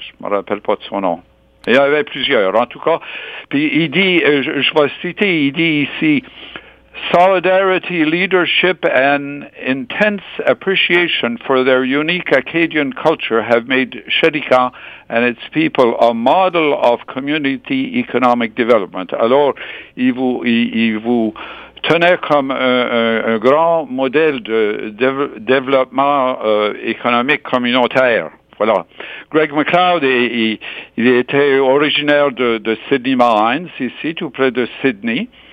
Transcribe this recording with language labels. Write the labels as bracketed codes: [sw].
[fr] Je me rappelle pas de son nom. Il y avait plusieurs, en tout cas. Puis il dit, je vais citer, il dit ici, [en] solidarity, leadership, and intense appreciation for their unique Acadian culture have made Chédican and its people a model of community economic development. [fr] Alors, il vous tenait comme un grand modèle de développement économique communautaire. Voilà. Greg McLeod, il était originaire de Sydney Mines, ici, tout près de Sydney.